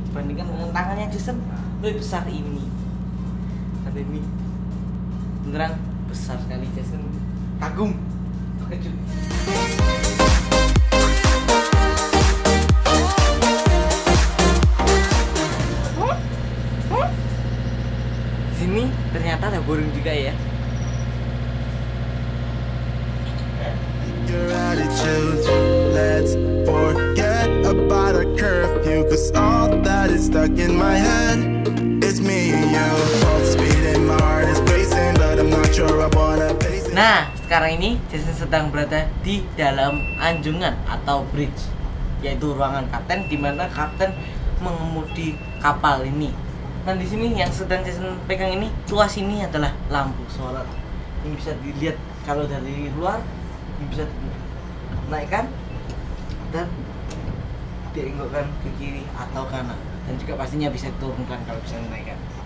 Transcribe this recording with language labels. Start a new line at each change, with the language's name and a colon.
Indonesian: Dibandingkan dengan tangannya Jason, lebih besar ini. Tapi ini beneran besar sekali Jason. Kagum, terkejut. Ini ternyata ada burung juga ya.
English: Your attitude, let's forget about a curfew, cause all that is stuck in my head is me and you. Both speed and my heart is pacing, but I'm not sure I wanna pace.
Indonesian: Nah, sekarang ini Jason sedang berada di dalam anjungan atau bridge, yaitu ruangan kapten di mana kapten mengemudi kapal ini. Dan di sini yang sedang Jason pegang ini, tuas ini adalah lampu solar. Ini bisa dilihat kalau dari luar, ini bisa naikkan dan dienggokkan ke kiri atau kanan, dan juga pastinya bisa turunkan kalau bisa naikkan.